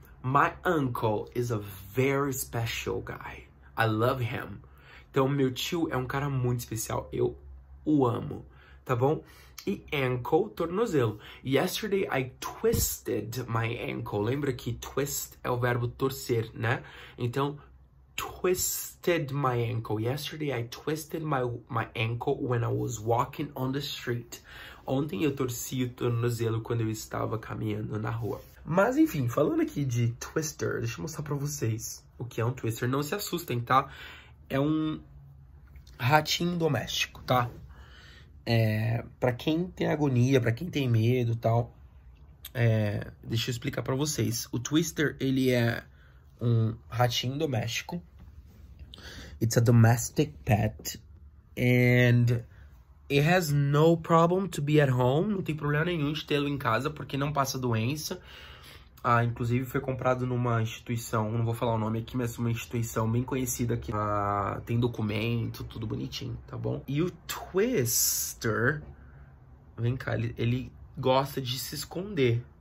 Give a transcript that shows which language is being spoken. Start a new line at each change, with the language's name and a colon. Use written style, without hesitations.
English: My uncle is a very special guy. I love him.
Portuguese: Então, meu tio é um cara muito especial. Eu o amo, tá bom?
English: E ankle, tornozelo. Yesterday I twisted my ankle.
Portuguese: Lembra que twist é o verbo torcer, né?
English: Então, twisted my ankle. Yesterday I twisted my ankle when I was walking on the street.
Portuguese: Ontem eu torci o tornozelo quando eu estava caminhando na rua. Mas enfim, falando aqui de twister, deixa eu mostrar pra vocês o que é um twister. Não se assustem, tá? É um ratinho doméstico, tá? Para quem tem agonia, para quem tem medo, tal, deixa eu explicar para vocês. O Twister, ele é um ratinho doméstico.
English: It's a domestic pet and it has no problem to be at home.
Portuguese: Não tem problema nenhum de tê-lo em casa porque não passa doença. Ah, inclusive foi comprado numa instituição, não vou falar o nome aqui, mas uma instituição bem conhecida aqui. Ah, tem documento, tudo bonitinho, tá bom? E o Twister, vem cá, ele gosta de se esconder.